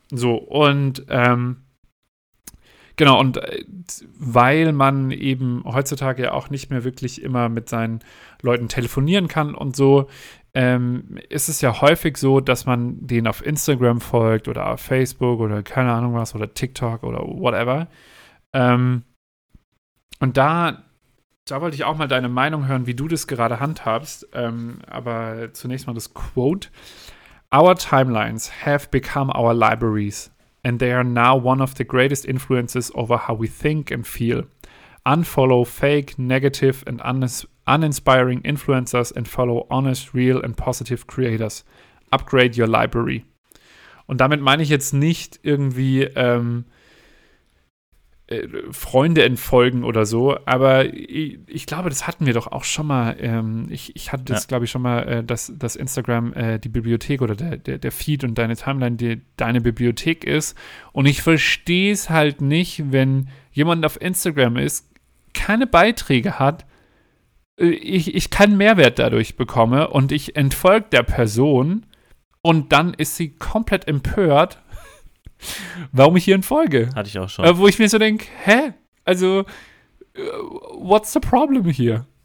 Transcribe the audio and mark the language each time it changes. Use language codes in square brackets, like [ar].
[de] So, und genau, und weil man eben heutzutage ja auch nicht mehr wirklich immer mit seinen Leuten telefonieren kann und so, ist es ja häufig so, dass man denen auf Instagram folgt oder auf Facebook oder keine Ahnung was oder TikTok oder whatever. Und da wollte ich auch mal deine Meinung hören, wie du das gerade handhabst. Aber zunächst mal das Quote. [en] Our timelines have become our libraries and they are now one of the greatest influences over how we think and feel. Unfollow fake, negative and uninspiring influencers and follow honest, real and positive creators. Upgrade your library. [de] Und damit meine ich jetzt nicht irgendwie Freunde entfolgen oder so, aber ich glaube, das hatten wir doch auch schon mal, ich hatte das, ja, glaube ich, schon mal, dass Instagram die Bibliothek oder der Feed und deine Timeline deine Bibliothek ist, und ich verstehe es halt nicht, wenn jemand auf Instagram ist, keine Beiträge hat, ich keinen Mehrwert dadurch bekomme und ich entfolge der Person und dann ist sie komplett empört, warum ich hier in Folge? Hatte ich auch schon. Wo ich mir so denke, hä? [en] Also, what's the problem here?